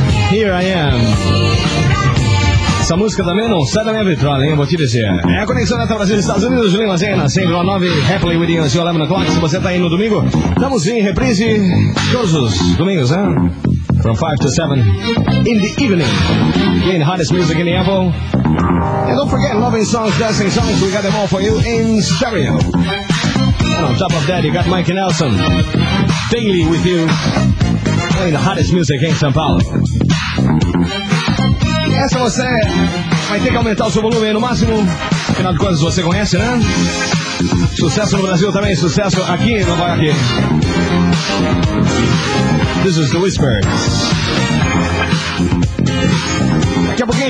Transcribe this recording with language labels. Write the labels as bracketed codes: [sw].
[pt] Here I Am. Essa música também não sai da minha vitrola, hein, vou te dizer. É a conexão da Brasil e Estados Unidos, Julinho Mazinha, na 109, Happily With You, 11 o'clock. Se você tá aí no domingo, estamos em reprise todos os domingos, hein? [en] From 5 to 7 in the evening. Again, hottest music in the Apple. And don't forget, loving songs, dancing songs, we got them all for you in stereo. And on top of that, you got Mikey Nelson daily with you, playing the hottest music in São Paulo. [pt] Essa você vai ter que aumentar o seu volume no máximo. Afinal de contas, você conhece, né? Sucesso no Brasil também, sucesso aqui em Nova York. [en] This is the Whispers. [pt] Daqui a pouquinho.